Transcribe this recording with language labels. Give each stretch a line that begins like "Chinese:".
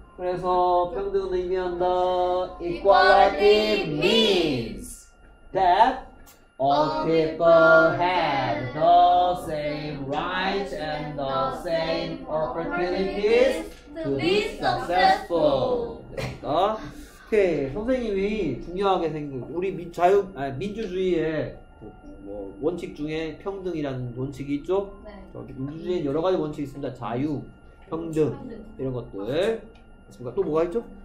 Korean: 그래서 평등을 의미한다.
English: Equality means that all people have the same rights and the same opportunities. To be successful.
Korean: 됐습니까?
English: 오케이.
Korean: 선생님이 중요하게 생각, 우리 자유, 아니, 민주주의의 뭐 원칙 중에 평등이라는 원칙이 있죠? 네. 민주주의에 여러 가지 원칙이 있습니다. 자유, 평등, 이런 것들. 됐습니까? 또 뭐가 있죠?